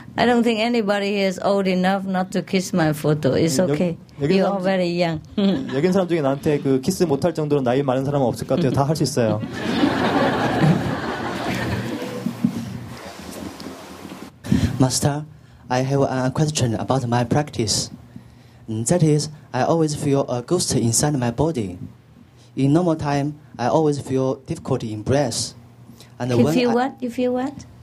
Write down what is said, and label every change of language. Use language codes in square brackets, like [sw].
[en] I don't think anybody is old enough not to kiss my photo. It's okay. [ko] 여긴 [en] you are very young. [ko] 여긴 사람 중에 나한테 그 키스 못할 정도로 나이 많은 사람은 없을 것 같아요. 다 할 수 있어요. [en] Master, I have a question about my practice. That is, I always feel a ghost inside my body. In normal time, I always feel difficulty in breath. And you feel what? You feel what?